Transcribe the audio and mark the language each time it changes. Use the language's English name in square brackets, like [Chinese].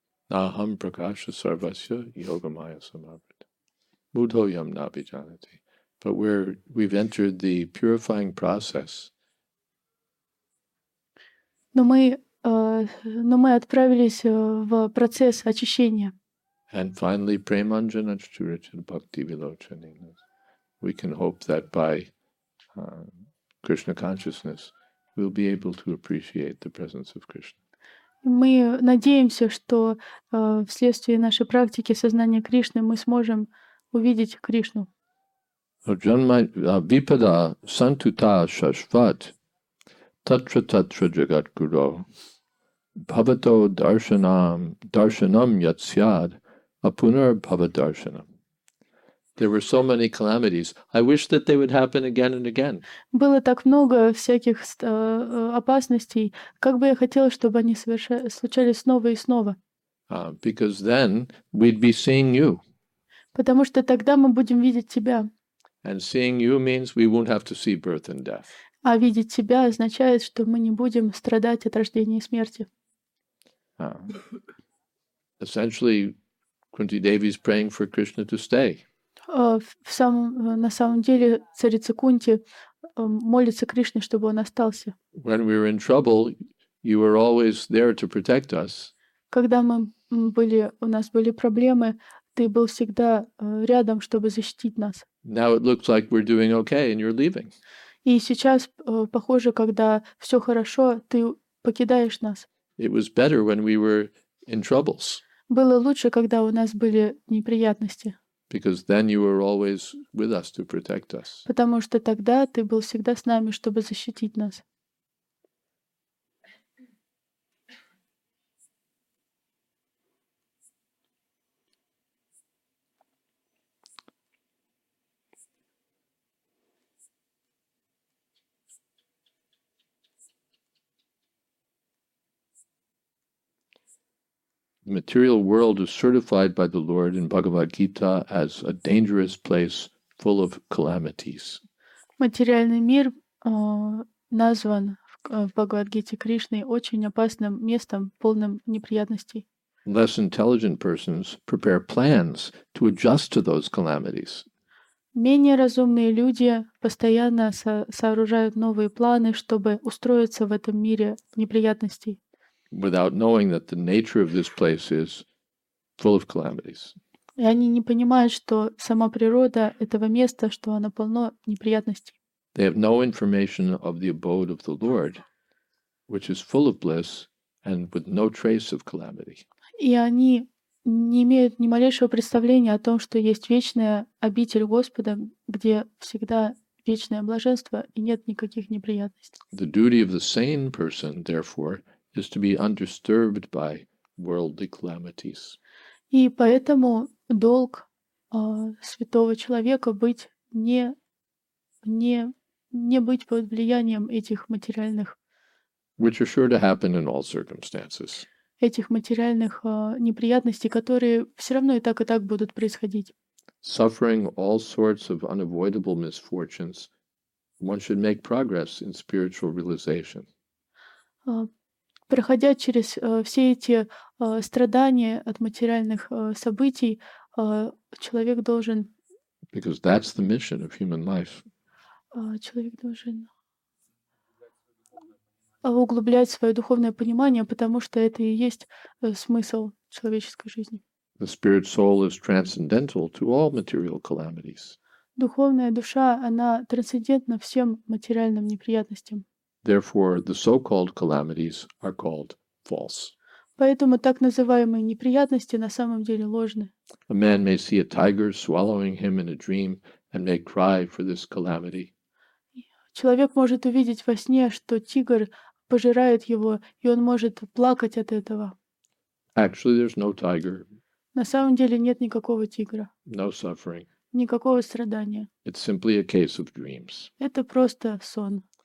[Sanskrit] Нахам пракаша сарвасья йогамая самабрит. Мудхоям набиджанати. [English] But we've entered the purifying process. [Russian] Но мы отправились в процесс очищения. [English] And finally, [Sanskrit] Premanjana Churichan Bhakti Vilochanina. [English] We can hope that by Krishna consciousness, we'll be able to appreciate the presence of Krishna. [Russian] Мы надеемся, что вследствие нашей практики сознания Кришны мы сможем увидеть Кришну. [Sanskrit] Vipada santuta shashvat tatra tatra jagat guru. Bhavato darshanam, darshanam yatsyad, apunar bhavadarshanam. [English] There were so many calamities. I wish that they would happen again and again. [Russian] Было так много всяких опасностей. Как бы я хотел, чтобы они случались снова и снова. [English] Because then we'd be seeing you. [Russian] Потому что тогда мы будем видеть тебя. [English] And seeing you means we won't have to see birth and death. [Russian] А видеть тебя означает, что мы не будем страдать от рождения и смерти. [English] Essentially, Kunti Devi is praying for Krishna to stay. [Russian] На самом деле, царица Кунти молится Кришне, чтобы он остался. [English] When we were in trouble, you were always there to protect us. [Russian] Когда у нас были проблемы, ты был всегда рядом, чтобы защитить нас. [English] Now it looks like we're doing okay, and you're leaving. [Russian] И сейчас похоже, когда все хорошо, ты покидаешь нас. [English] It was better when we were in troubles. [Russian] Было лучше, когда у нас были неприятности. [English] Because then you were always with us to protect us. [Russian] Потому что тогда ты был всегда с нами, чтобы защитить нас. [English] The material world is certified by the Lord in Bhagavad Gita as a dangerous place full of calamities. [Russian] Материальный мир назван в Бхагавад-гите Кришной очень опасным местом, полным неприятностей. [English] Less intelligent persons prepare plans to adjust to those calamities. [Russian] Менее разумные люди постоянно сооружают новые планы, чтобы устроиться в этом мире неприятностей. [English] Without knowing that the nature of this place is full of calamities. [Russian] И они не понимают, что сама природа этого места, что оно полно неприятностей. [English] They have no information of the abode of the Lord, which is full of bliss and with no trace of calamity. [Russian] И они не имеют ни малейшего представления о том, что есть вечная обитель Господа, где всегда вечное блаженство и нет никаких неприятностей. [English] The duty of the sane person, therefore, is to be undisturbed by worldly calamities. [Russian] И поэтому долг святого человека быть не быть под влиянием этих материальных. [English] Which are sure to happen in all circumstances. [Russian] Этих материальных неприятностей, которые все равно и так будут происходить. [English] Suffering all sorts of unavoidable misfortunes, one should make progress in spiritual realization. [Russian] Проходя через все эти страдания от материальных событий, человек должен... [English] Because that's the mission of human life. [Russian] Человек должен... углублять свое духовное понимание, потому что это и есть смысл человеческой жизни. [English] The spirit soul is transcendental to all material calamities. [Russian] Духовная душа, она трансцендентна всем материальным неприятностям. [English] Therefore, the so-called calamities are called false. [Russian] Поэтому так называемые неприятности на самом деле ложны. [English] A man may see a tiger swallowing him in a dream and may cry for this calamity. [Russian] Человек может увидеть во сне, что тигр пожирает его, и он может плакать от этого. [English] Actually, there's no tiger. [Russian] На самом деле нет никакого тигра. [English] No suffering. [Russian] Никакого страдания. [English] It's simply a case of dreams. [Russian] Это просто сон.